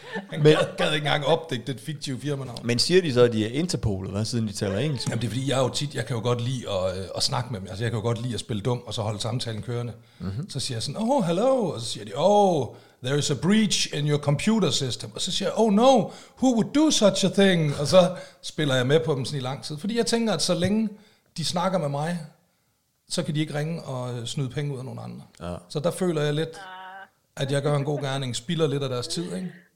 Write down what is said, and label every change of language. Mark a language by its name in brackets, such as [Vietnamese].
[Danish] Han gad ikke engang opdække det fiktive firmanavn. Men siger de så, at de er Interpol, hvad, siden de taler engelsk? Jamen, det er fordi, jeg jo tit, jeg kan jo godt lide at snakke med dem. Altså, jeg kan jo godt lide at spille dum, og så holde samtalen kørende. Mm-hmm. Så siger jeg sådan, [English] oh, hello. [Danish] Og så siger de, [English] oh, there is a breach in your computer system. [Danish] Og så siger jeg, [English] oh no, who would do such a thing? [Danish] Og så spiller jeg med på dem sådan i lang tid. Fordi jeg tænker, at så længe de snakker med mig, så kan de ikke ringe og snyde penge ud af nogen andre. Ja. Så der føler jeg lidt, at jeg gør en god gerning, spilder lidt af deres tid, ikke?